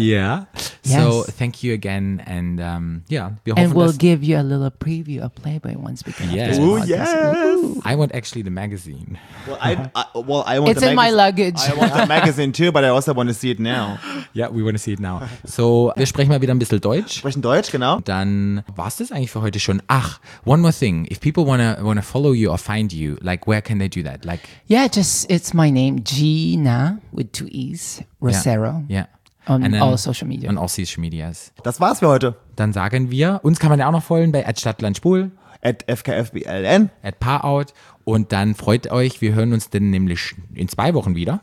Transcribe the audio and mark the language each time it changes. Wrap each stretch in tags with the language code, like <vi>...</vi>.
<en>Yeah. Yes. So thank you again. And yeah. And we'll give you a little preview of Playboy once we can. Yes. Oh, yes. I want actually the magazine. Well, I want it's in my luggage. I want the magazine too, but I also want to see it now. Yeah, we want to see it now.</en> <de>So wir sprechen mal wieder ein bisschen Deutsch. Sprechen Deutsch, genau. Dann war es das eigentlich für heute schon.</de> <en>Ach, one more thing. If people wanna follow you or find you, like, where can they do that? Like, yeah, just, it's my name, Gina, with two E's, Rosero. Yeah. On all social media. On all social medias.</en> <de>Das war's für heute. Dann sagen wir, uns kann man ja auch noch folgen bei @stadtlandspul. @fkfbln. @parout. Und dann freut euch, wir hören uns denn nämlich in 2 Wochen wieder.</de>